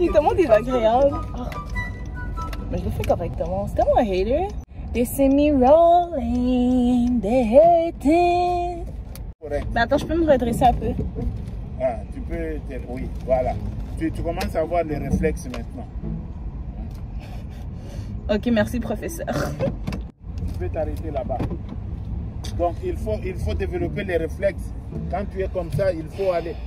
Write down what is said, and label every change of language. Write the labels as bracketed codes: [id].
[fr] Il est tellement désagréable. Mais je le fais correctement. C'est tellement un hater. [en] They see me rolling, they hating. [fr] Correct. Mais attends, je peux me redresser un peu. Ah, tu peux. Oui, voilà. Tu commences à avoir les réflexes maintenant. Ok, merci, professeur. Tu peux t'arrêter là-bas. Donc, il faut développer les réflexes. Quand tu es comme ça, il faut aller.